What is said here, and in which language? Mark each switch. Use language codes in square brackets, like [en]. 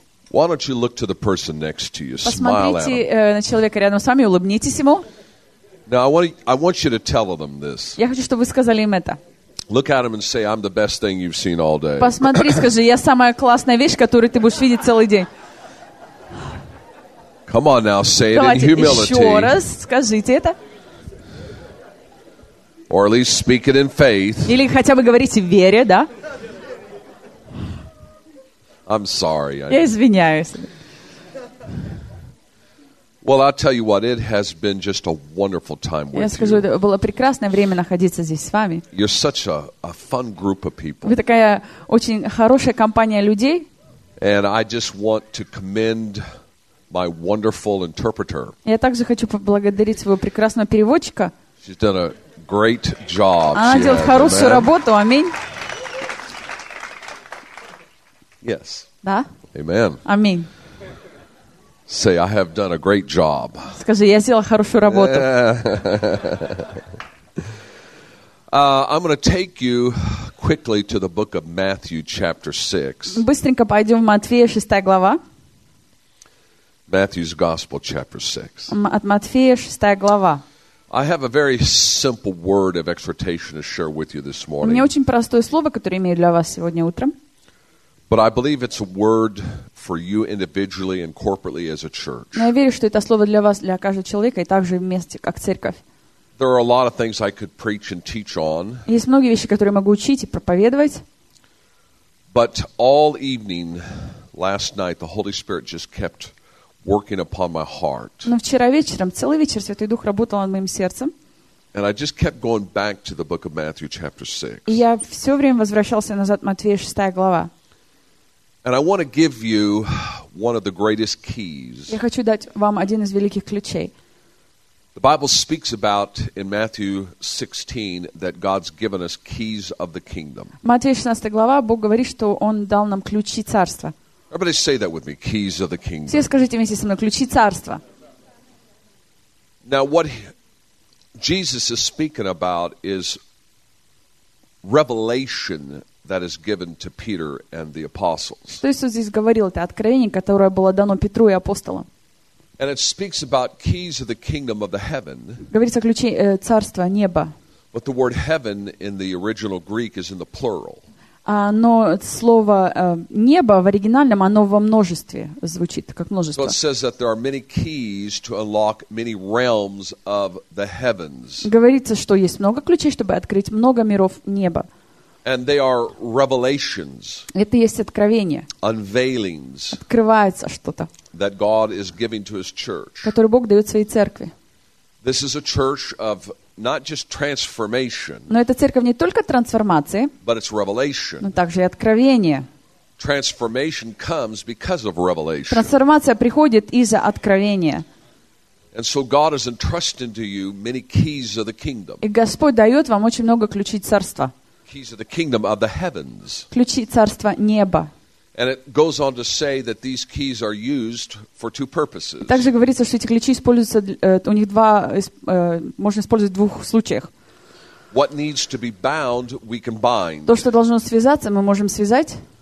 [en] Why don't you look to the person next to you? [ru] Посмотрите, [en] smile at [ru] на человека рядом с вами, улыбнитесь ему. [en] Now I want you to tell them this. [ru] Я хочу, чтобы вы сказали им это. [en] Look at him and say, "I'm the best thing you've seen all day." [ru] Посмотри, скажи, я самая классная вещь, которую ты будешь видеть целый день. [en] Come on now, say it in humility. [ru] Еще раз скажите это. [en] Or at least speak it in faith. [ru] Или хотя бы говорите в вере, да? [en] I'm sorry. [ru] Я извиняюсь. [en] Well, I'll tell you what, it has been just a wonderful time with you. [ru] Я скажу, это было прекрасное время находиться здесь с вами. [en] You're such a fun group of people. [ru] Вы такая очень хорошая компания людей. [en] And I just want to commend my wonderful interpreter. [ru] Я также хочу поблагодарить своего прекрасного переводчика. [en] She's done a great job. [ru] Она делает хорошую работу. Аминь. [en] Yes. [ru] Да? [en] Amen. Amen. Say, I have done a great job. [ru] Скажи, я сделал хорошую работу. [en] I'm going to take you quickly to the book of Matthew chapter 6. [ru] Быстренько пойдем в Матфея, 6 глава. [en] Matthew's Gospel chapter 6. [ru] От Матфея, 6 глава. [en] I have a very simple word of exhortation to share with you this morning. [ru] У меня очень простое слово, которое имею для вас сегодня утром. [en] But I believe it's a word for you individually and corporately as a church. [ru] Я верю, что это слово для вас, для каждого человека и также вместе, как церковь. [en] There are a lot of things I could preach and teach on. [ru] Есть многие вещи, которые могу учить и проповедовать. [en] But all evening last night the Holy Spirit just kept working upon my heart. [ru] Но вчера вечером, целый вечер Святой Дух работал над моим сердцем. [en] And I just kept going back to the book of Matthew chapter 6. [ru] И я всё время возвращался назад Матфея 6 глава. [en] And I want to give you one of the greatest keys. [ru] Я хочу дать вам один из великих ключей. [en] The Bible speaks about in Matthew 16 that God's given us keys of the kingdom. [ru] Матвея 16 глава, Бог говорит, что Он дал нам ключи царства. [en] Everybody say that with me, keys of the kingdom. [ru] Все скажите вместе со мной, ключи царства. [en] Now what Jesus is speaking about is revelation that is given to Peter and the apostles. [ru] Что Иисус здесь говорил, это откровение, которое было дано Петру и апостолам. [en] And it speaks about keys of the kingdom of the heaven. [ru] Говорится о ключе царства неба. [en] But the word heaven in the original Greek is in the plural. [ru] Но слово небо в оригинальном, оно во множестве звучит, как множество. [en] So it says that there are many keys to unlock many realms of the heavens. [ru] Говорится, что есть много ключей, чтобы открыть много миров неба. [en] And they are revelations. [ru] Это есть откровение. [en] Unveilings. [ru] Открывается что-то. [en] That God is giving to His church. [ru] Который Бог дает своей церкви. [en] This is a church of not just transformation. [ru] Но это церковь не только трансформации. [en] But it's revelation. [ru] Но также и откровение. [en] Transformation comes because of revelation. [ru] Трансформация приходит из-за откровения. [en] And so God is entrusting to you many keys of the kingdom. [ru] И Господь дает вам очень много ключей царства. [en] Keys of the kingdom of the heavens. [ru] Ключи царства неба. [en] And it goes on to say that these keys are used for two purposes. [ru] Также говорится, что эти ключи используются у них два можно использовать в двух случаях. [en] What needs to be bound, we can bind. [ru] То, что должно связаться, мы можем связать.